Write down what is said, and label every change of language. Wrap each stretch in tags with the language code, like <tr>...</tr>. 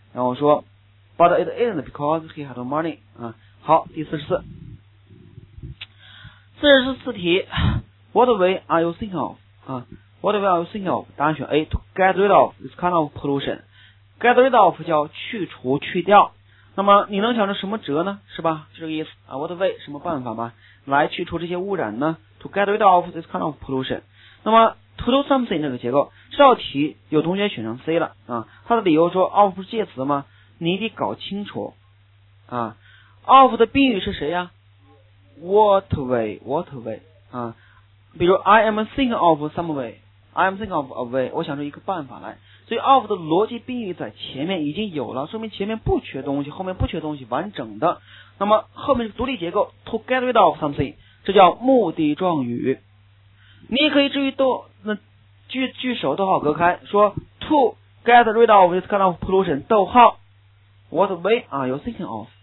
<en>然后说 but it isn't because he had money 啊。</en> <zh>好，第四十四，44题</zh> <en>What way are you thinking of? What way are you thinking of?</en> <zh>答案选</zh> <en>A, to get rid of this kind of pollution.</en> <zh>Get rid of 叫去除去掉。那么你能想着什么辙呢，是吧，就这个意思啊。</zh> <en>What way,</en> <zh>什么办法吧，来去除这些污染呢？</zh> <en>To get rid of this kind of pollution.</en> <zh>那么</zh> <en>to do something</en> <zh>这个结构，这道题有同学选成 C 了啊。他的理由说 of 是介词吗？你得搞清楚啊。of 的宾语是谁呀？</zh> <en>What way, what way, 啊，比如 I am thinking of some way, I am thinking of a way,</en> <zh>我想出一个办法来。所以 of 的逻辑宾语在前面已经有了，说明前面不缺东西，后面不缺东西，完整的。那么后面是独立结构</zh> <en>to get rid of something,</en> <zh>这叫目的状语。你也可以至于逗那句首逗号隔开，说</zh> <en>to get rid of this kind of pollution,</en> <zh>逗号</zh> <en>what way are you thinking of?</en>